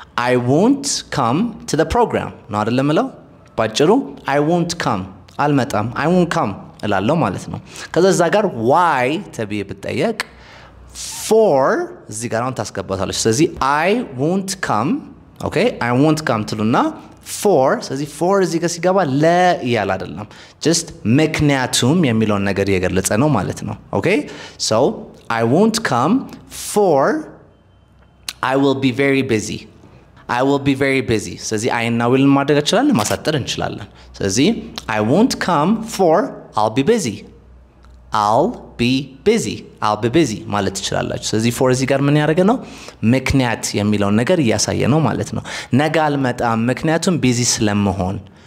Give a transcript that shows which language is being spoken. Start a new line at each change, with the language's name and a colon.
English: I won't come to the program not
Amharic: አይደለም ማለት ባጭሩ
English: I won't come
Amharic: አልመጣም
English: I won't come
Amharic: እላለሁ ማለት ነው. ከዛ ጋር why ተብዬ ብጠየቅ for እዚህ ጋር አሁን ታስገባታለች.
English: ስለዚህ I won't come. okay I won't come
Amharic: ትሉና for ስለዚህ for እዚህ ጋር ሲገባ ለ እያለ አይደለም just ምክንያቱም የሚለውን ነገር እየገለጸ ነው ማለት ነው.
English: okay so I won't come for I will be very busy. I will be very busy.
Amharic: ስለዚህ
English: I now will
Amharic: ማድረግ እንችላለን ማሳጠር እንችላለን.
English: ስለዚህ I won't come for I'll be busy. I'll be busy. I'll be busy
Amharic: ማለት ትችላላችሁ. ስለዚህ for እዚህ ጋር ምን ያደርገ ነው? ምክንያት የሚለውን ነገር ያሳየ ነው ማለት ነው. ነገ አልመጣም ምክንያቱም busy ስለምሆን.